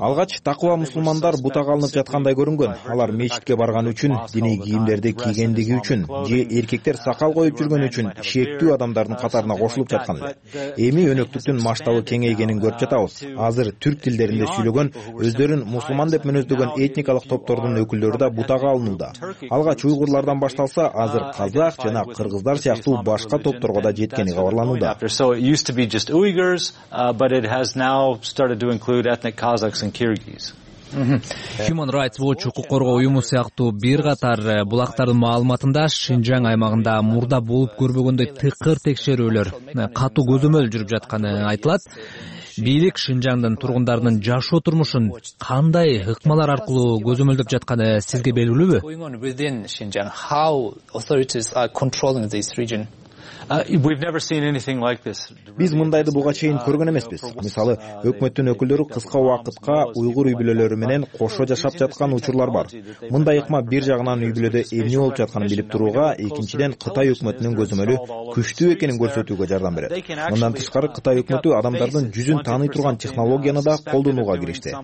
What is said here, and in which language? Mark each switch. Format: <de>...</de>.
<ky>Алгач такыба мусулмандар бутага алынып жаткандай көрүнгөн. Алар мечитке барган үчүн, диний кийимдерди кийгендиги үчүн же эркектер сакал коюп жүргөн үчүн шектүү адамдардын катарына кошулуп жаткан. Эми өнөктүктүн масштабы кеңейгенин көрүп жатабыз. Азыр түрк тилдеринде сүйлөгөн, өздөрүн мусулман деп мүнөздөгөн этникалык топтордун өкүлдөрү да бутага алынууда. Алгач уйгурлардан башталса, азыр казак жана кыргыздар сыяктуу башка топторго да жеткени кабарланууда.</ky> <en>So it used to be just Uyghurs, but it has now started to include ethnic Kazakhs and Kyrgyz.</en> <ky>Human Rights Watch укук коргоо уюму сыяктуу бир катар булактардын маалыматында Шинжаң аймагында мурда болуп көрбөгөндөй тыкыр текшерүүлөр, катуу көзөмөл жүрүп жатканы айтылат. Бийлик Шинжаңдын тургундарынын жашоо турмушун кандай ыкмалар аркылуу көзөмөлдөп жатканы сизге белгилүүбү?</ky> <en>How authorities are controlling this region? We've never seen anything like this.</en> <ky>Биз мындайды буга чейин көргөн эмеспиз. Мисалы, өкмөттүн өкүлдөрү кыска убакытка уйгур үй бүлөлөрү менен кошо жашап жаткан учурлар бар. Мындай ыкма бир жагынан үй бүлөдө эмне болуп жатканын билип турууга, экинчиден Кытай өкмөтүнүн көзөмөлү күчтүү экенин көрсөтүүгө жардам берет. Мындан тышкары Кытай өкмөтү адамдардын жүзүн тааный турган технологияны да колдонууга киришти.</ky>